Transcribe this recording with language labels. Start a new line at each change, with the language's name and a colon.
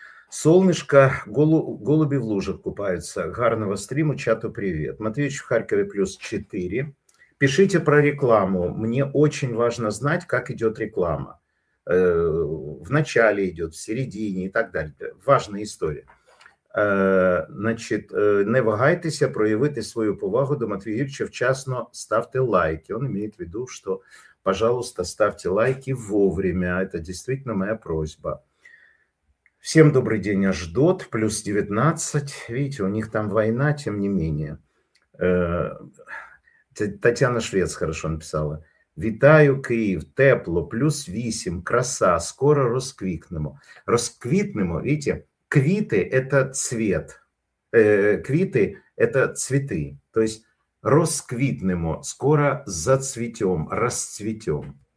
Russian: Солнышко, голуби в лужах купаются.
Ukrainian: Гарного стриму,
Russian: чату привет. Матвеич в Харькове, плюс 4. Пишите про рекламу. Мне очень важно знать, как идет реклама. В начале идет, в середине и так далее. Важная история.
Ukrainian: Значит, не вагайтеся проявити свою повагу до Матвія Юрійовича, вчасно ставте лайки.
Russian: Он имеет в виду, что, пожалуйста, ставьте лайки вовремя. Это действительно моя просьба. Всем добрый день, Ашдот, плюс 19. Видите, у них там война, тем не менее. Татьяна Швец хорошо написала.
Ukrainian: Вітаю, Київ, тепло, плюс 8, краса, скоро розквітнемо.
Russian: Розквітнемо, видите, квіти – это цвет, квіти – это цвіти. То есть розквітнемо, скоро зацвітем, розцвітем.